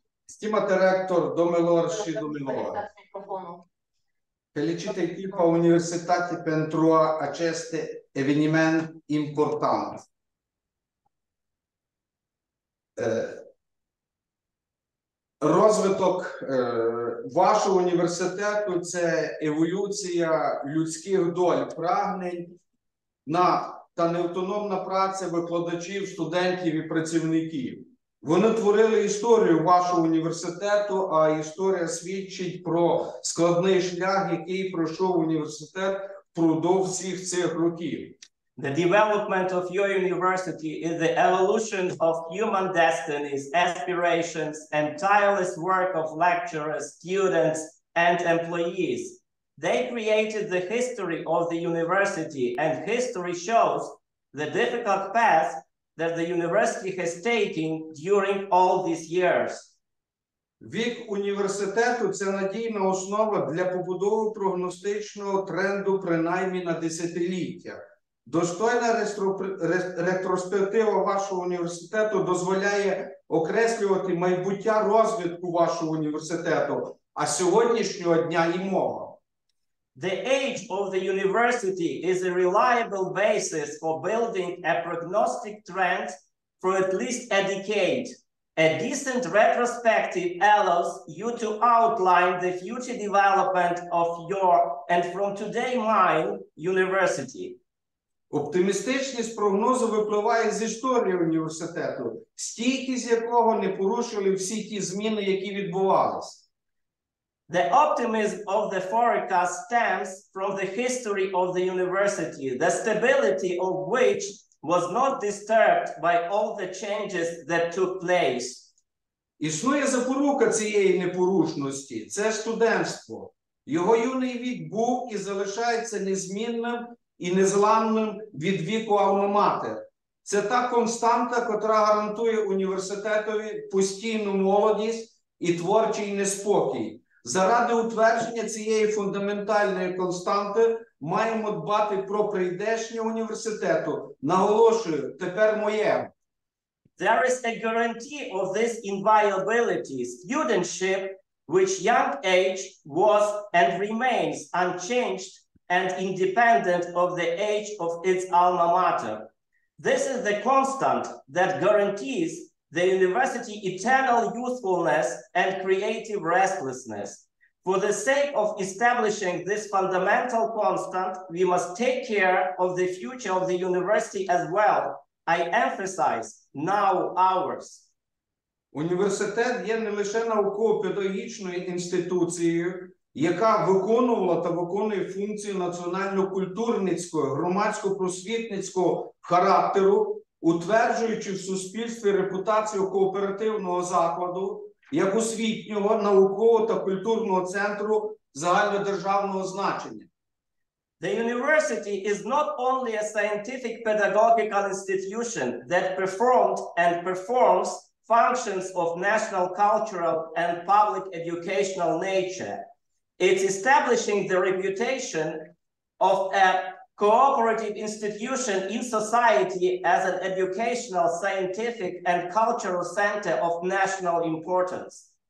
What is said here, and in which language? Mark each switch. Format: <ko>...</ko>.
<ro>Stimate rector, domnilor și domnilor! Felicit echipa universității pentru acest eveniment important.</ro> <uk>Розвиток вашого університету – це еволюція людських доль, прагнень та неавтономна праця викладачів, студентів і працівників. Вони творили історію вашого університету, а історія свідчить про складний шлях, який пройшов університет впродовж всіх цих років.</uk> <en>The development of your university is the evolution of human destinies, aspirations, and tireless work of lecturers, students, and employees. They created the history of the university, and history shows the difficult path that the university has taken during all these years.</en> <uk>Вік університету – це надійна основа для побудови прогностичного тренду принаймні на десятиліття. Достойна ретроспектива вашого університету дозволяє окреслювати майбуття розвитку вашого університету, а сьогоднішнього дня і мого.</uk> <en>The age of the university is a reliable basis for building a prognostic trend for at least a decade. A decent retrospective allows you to outline the future development of your, and from today, mine, university.</en> <uk>Оптимістичність прогнозу випливає з історії університету, стійкість якого не порушили всі ті зміни, які відбувались.</uk> <en>The optimism of the forecast stems from the history of the university, the stability of which was not disturbed by all the changes that took place.</en> <uk>Існує запорука цієї непорушності – це студентство. Його юний вік був і залишається незмінним і незламним від віку Alma-Mater. Це та константа, котра гарантує університетові постійну молодість і творчий неспокій. Заради утвердження цієї фундаментальної константи маємо дбати про прийдешнє університету. Наголошую, тепер моє.</uk> <en>There is a guarantee of this inviolability. Studentship, which young age was and remains unchanged and independent of the age of its alma mater. This is the constant that guarantees the university eternal youthfulness and creative restlessness. For the sake of establishing this fundamental constant, we must take care of the future of the university as well. I emphasize, now ours.</en> <uk>Університет є не лише науково-педагогічною інституцією, яка виконувала та виконує функцію національно-культурницького, громадсько-просвітницького характеру, утверджуючи в суспільстві репутацію кооперативного закладу як освітнього, наукового та культурного центру загальнодержавного значення.</uk> <en>The university is not only a scientific pedagogical institution that performed and performs functions of national, cultural and public educational nature. It's establishing the reputation of a cooperative institution in society as an educational, scientific, and cultural center of national importance.</en>